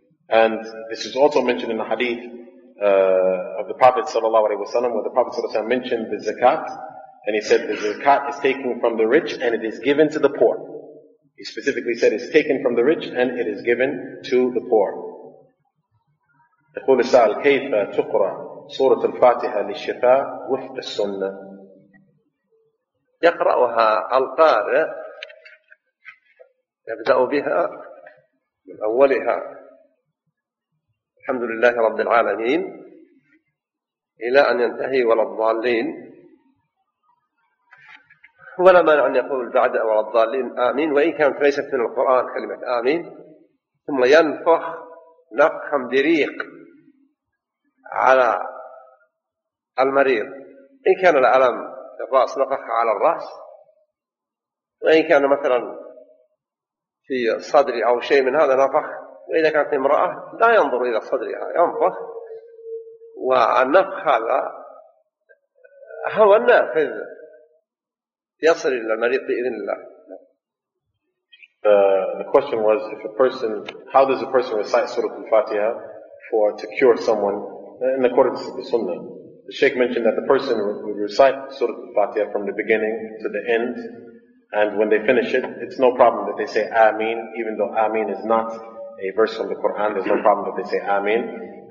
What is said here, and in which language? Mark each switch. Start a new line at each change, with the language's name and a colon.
English: And this is also mentioned in the hadith of the Prophet sallallahu alaihi wasallam, where the Prophet sallallahu alaihi wasallam mentioned the zakat, and he said the zakat is taken from the rich and it is given to the poor. He specifically said it's taken from the rich and it is given to the poor.
Arabic: يقول السائل كيف تقرأ سورة الفاتحة للشفاء وفق السنة؟ يقرأها القارئ يبدأ بها من أولها الحمد لله رب العالمين إلى أن ينتهي ولا الضالين، ولا مانع أن يقول بعد ولا الضالين آمين، وإن كانت ليست من القرآن كلمة آمين، ثم ينفخ نفخا بريق على المريض، إن كان الألم في الرأس نفخ على الرأس، وإن كان مثلا في صدري أو شيء من هذا نفخ، وإذا كانت امرأة لا ينظر إلى صدرها ينفخ، والنفخ هذا هو النافذ يصل إلى المريض بإذن الله.
English: The question was, if a person, how does a person recite Surah Al-Fatiha for to cure someone in accordance with the Sunnah? The Sheikh mentioned that the person would recite Surah Al-Fatiha from the beginning to the end, and when they finish it, it's no problem that they say Ameen, even though Ameen is not a verse from the Quran, there's no problem that they say Ameen.